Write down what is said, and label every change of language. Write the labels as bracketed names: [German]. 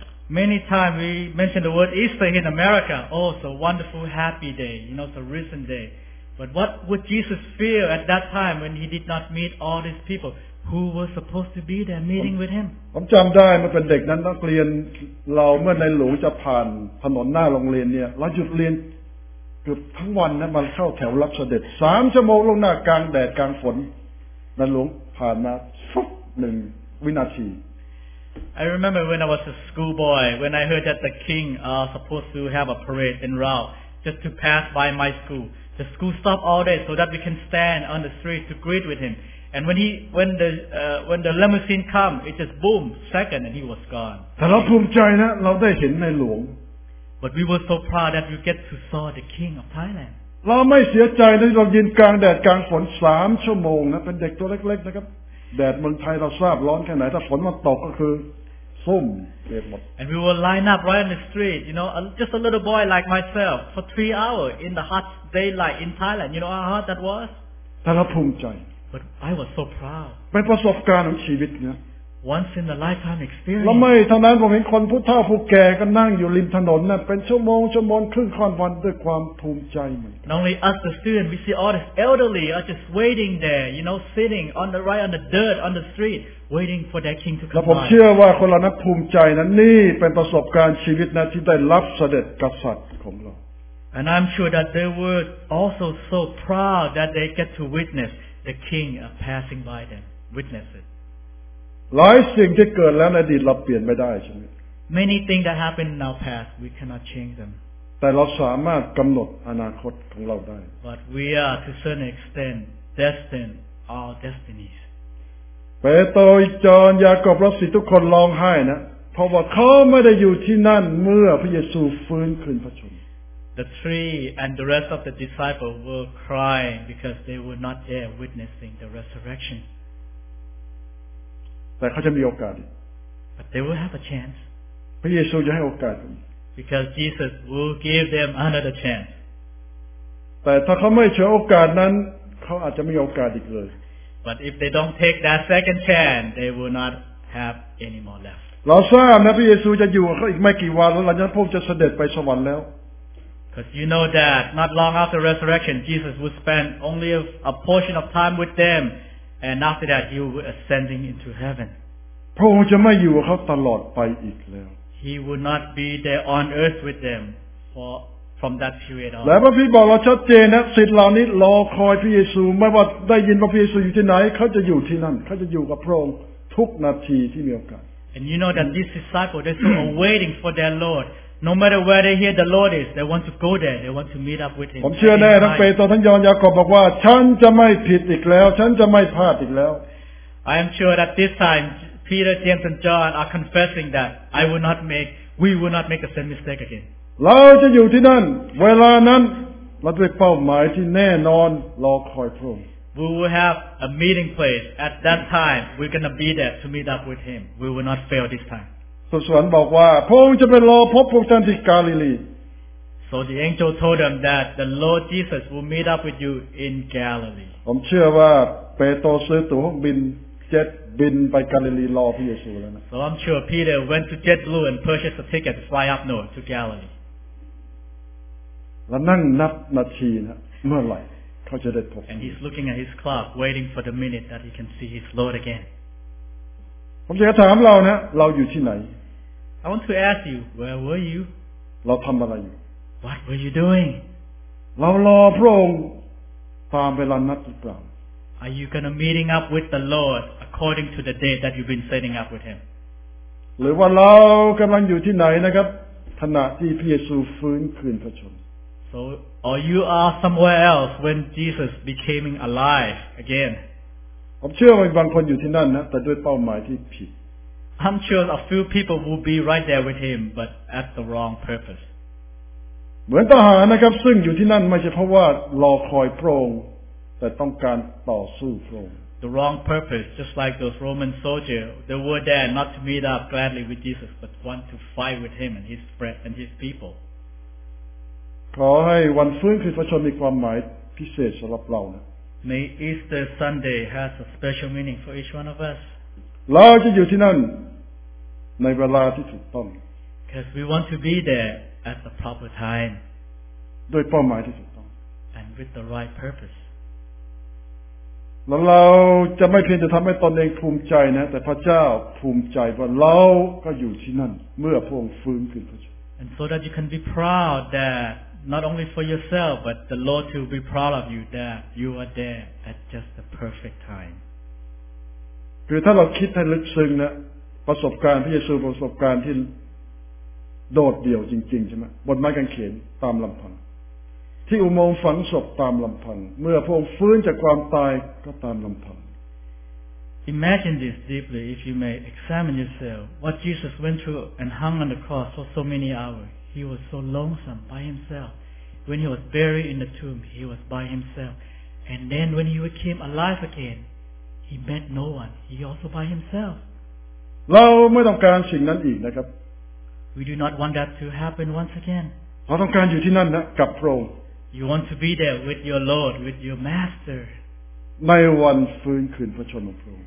[English] Many times we mention the word Easter in America. Oh, so wonderful, happy day. You know, it's a risen day. But what would Jesus feel at that time when he did not meet all these people? who was supposed to be there meeting with him. [Thai] ผมจำได้เมื่อเป็นเด็กนั้นนักเรียนเราเมื่อในหลวงจะผ่านถนนหน้าโรงเรียนเนี่ยเราหยุดเรียนเกือบทั้งวันนะมันเข้าแถวรับเสด็จ3ชั่วโมงลงหน้ากลางแดดกลางฝนนั้นหลวงผ่านมาฟึบ1วินาที [English] I remember when I was a schoolboy when I heard that the king are supposed to have a parade en route just to pass by my school the school stopped all day so that we can stand on the street to greet with him and when the limousine come it just boom second and he was gone [Thai] แต่เราภูมิใจนะเราได้เห็นในหลวง [English] But we were so proud that we get to saw the king of Thailand. [Thai] เราไม่เสียใจนะเรายืนกลางแดดกลางฝน3ชั่วโมงนะเป็นเด็กตัวเล็กๆนะครับแดดเมืองไทยเราทราบร้อนแค่ไหนถ้าฝนมาตกก็คือส้มเต็มหมด [English] And we were lined up right on the street, you know, just a little boy like myself for 3 hours in the hot daylight in Thailand. You know how hot that was? [Thai] แต่เราภูมิใจ [English] But I was so proud. [Thai] เป็นประสบการณ์ของชีวิตนะ [English] Once in a lifetime experience. [Thai] เราไม่เท่านั้นผมเห็นคนผู้เฒ่าผู้แก่ก็นั่งอยู่ริมถนนน่ะเป็นชั่วโมงชั่วโมงครึ่งค่ำวันด้วยความภูมิใจเหมือนกัน [English] Not only us the student, we see all the elderly are just waiting there, you know, sitting on the right on the dirt on the street, waiting for their king to come. [Thai] และผมเชื่อว่าคนเรานั้นภูมิใจนั้นนี่เป็นประสบการณ์ชีวิตนะที่ได้รับเสด็จกษัตริย์ของเรา [English] And I'm sure that they were also so proud that they get to witness the king passing by them, witness it. [Thai] หลายสิ่งที่เกิดแล้วในอดีตเราเปลี่ยนไม่ได้ใช่ไหม [English] Many things that happened in our past we cannot change them [Thai] แต่เราสามารถกำหนดอนาคตของเราได้ [English] But we are to a certain extent destined our destinies [Thai] เปโตรจอนยากอบและสิทุกคนร้องไห้นะเพราะว่าเขาไม่ได้อยู่ที่นั่นเมื่อพระเยซูฟื้นคืนพระชนม [English] The three and the rest of the disciples were crying because they were not there witnessing the resurrection [Thai] แต่เขาจะมีโอกาส [English] But they will have a chance [Thai] พระเยซูจะให้โอกาส [English] Because Jesus will give them another chance [Thai] แต่ถ้าเขาไม่ฉวยโอกาสนั้นเขาอาจจะไม่มีโอกาสอีกเลย [English] But if they don't take that second chance they will not have any more left [Thai] เราทราบนะพระเยซูจะอยู่กับเขาอีกไม่กี่วันแล้วหลังจากพวกจะเสด็จไปสวรรค์แล้ว [English] Because you know that not long after resurrection Jesus would spend only a portion of time with themAnd after that, he will be ascending into heaven. [Thai] พระองค์จะไม่อยู่กับเขาตลอดไปอีกแล้ว [English] He will not be there on earth with them for from that period on. [Thai] และพระพี่บอกเราชัดเจนนะศิษย์เหล่านี้รอคอยพระเยซูไม่ว่าได้ยินว่าพระเยซูอยู่ที่ไหนเขาจะอยู่ที่นั่นเขาจะอยู่กับพระองค์ทุกนาทีที่มีโอกาส [English] And you know that these disciples they're still waiting for their Lord. No matter where they hear the Lord is, they want to go there. They want to meet up with him. [Thai] ผมเชื่อแน่ทั้งเปโตรทั้งยอห์นยากอบบอกว่าฉันจะไม่ผิดอีกแล้วฉันจะไม่พลาดอีกแล้ว [English] I am sure that this time Peter, James, and John are confessing that we will not make the same mistake again. [Thai] เราจะอยู่ที่นั่นเวลานั้นเราเป้าหมายที่แน่นอนรอคอยพระองค์ [English] We will have a meeting place at that time. We're gonna be there to meet up with him. We will not fail this time. [Thai] สุสานบอกว่าพระองค์จะไปรอพบพวกท่านที่กาลิลี [English] So the angel told them that the Lord Jesus will meet up with you in Galilee [Thai] ผมเชื่อว่าเปโตรซื้อตั๋วเครื่องบินเจ็ตบินไปกาลิลีรอพระเยซูแล้วนะ [English] So I'm sure Peter went to JetBlue and purchased a ticket to fly up north to Galilee [Thai] แล้วนั่งนับนาทีนะเมื่อไหร่เขาจะได้พบ [English] And he's looking at his clock waiting for the minute that he can see his Lord again [Thai] ผมจะถามเรานะเราอยู่ที่ไหน [English] I want to ask you where were you [Thai] เราทำอะไรอยู่ [English] What were you doing [Thai] เรารอพระองค์ตามเวลานัดหรือเปล่า [English] Are you gonna meeting up with the Lord according to the date that you've been setting up with him [Thai] หรือว่าเรากำลังอยู่ที่ไหนนะครับขณะที่พระเยซูฟื้นคืนพระชน [English] So or you are somewhere else when Jesus became alive again [Thai] ผมเชื่อว่าบางคนอยู่ที่นั่นนะแต่ด้วยเป้าหมายที่ผิด [English] I'm sure a few people will be right there with him but at the wrong purpose [Thai] เหมือนทหารนะครับซึ่งอยู่ที่นั่นไม่ใช่เพราะว่ารอคอยพระองค์แต่ต้องการต่อสู้พระองค์ [English] The wrong purpose just like those Roman soldiers they were there not to meet up gladly with Jesus but want to fight with him and his friend and his people [Thai] ขอให้วันฟื้นคืนพระชนมีความหมายพิเศษสำหรับเรานะ [English] May Easter Sunday has a special meaning for each one of us. [Thai] เราจะอยู่ที่นั่นในเวลาที่ถูกต้อง [English] Because we want to be there at the proper time. [Thai] ด้วยเป้าหมายที่ถูกต้อง [English] And with the right purpose. [Thai] แล้วเราจะไม่เพียงจะทำให้ตนเองภูมิใจนะแต่พระเจ้าภูมิใจว่าเราก็อยู่ที่นั่นเมื่อพระองค์ฟื้นขึ้นพระเจ้า [English] And so that you can be proud that not only for yourself but the Lord will be proud of you that you are there at just the perfect time [Thai] คือถ้าเราคิดให้ลึกซึ้งนะประสบการณ์พระเยซูประสบการณ์ที่โดดเดี่ยวจริงๆใช่ไหมบนไม้กางเขนตามลำพังที่อุโมงค์ฝังศพตามลำพังเมื่อพระองค์ฟื้นจากความตายก็ตามลำพัง [English] Imagine this deeply if you may examine yourself what Jesus went through and hung on the cross for so many hours he was so lonesome by himself when he was buried in the tomb he was by himself and then when he came alive again he met no one he also by himself [Thai] เราไม่ต้องการสิ่งนั้นอีกนะครับ [English] We do not want that to happen once again [Thai] เราต้องการอยู่ที่นั่นนะกับพระองค์ [English] You want to be there with your Lord, with your Master. [Thai] ในวันฟื้นคืนพระชนม์พระองค